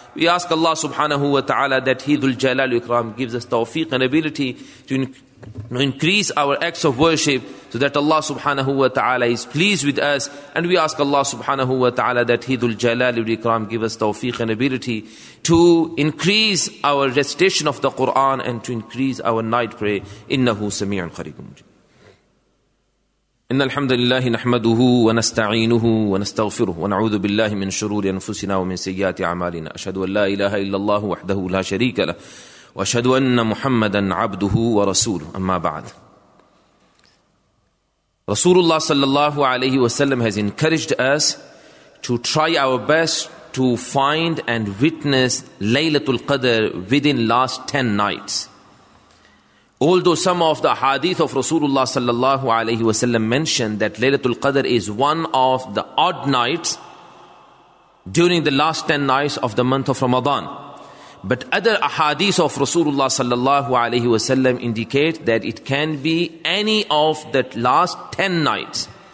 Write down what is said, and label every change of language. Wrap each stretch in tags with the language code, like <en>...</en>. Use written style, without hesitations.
<en>We ask Allah subhanahu wa ta'ala that He dhul jalal ikram gives us tawfiq and ability to increase our acts of worship so that Allah subhanahu wa ta'ala is pleased with us. And we ask Allah subhanahu wa ta'ala that He dhul jalal ikram give us tawfiq and ability to increase our recitation of the Quran and to increase our night prayer.</en> <ar>Innahu sami'un qareebun mujib. إن الحمد لله نحمده ونستعينه ونستغفره ونعوذ بالله من شرور أنفسنا ومن سيئات أعمالنا أشهد أن لا إله إلا الله وحده لا شريك له وأشهد أن محمدا عبده ورسوله أما بعد رسول الله صلى الله عليه وسلم</ar> <en>has encouraged us to try our best to find and witness Laylatul Qadr within last 10 nights. Although some of the hadith of Rasulullah sallallahu alayhi wa sallam mentioned that Laylatul Qadr is one of the odd nights during the last 10 nights of the month of Ramadan. But other ahadith of Rasulullah sallallahu alayhi wa sallam indicate that it can be any of the last 10 nights.</en>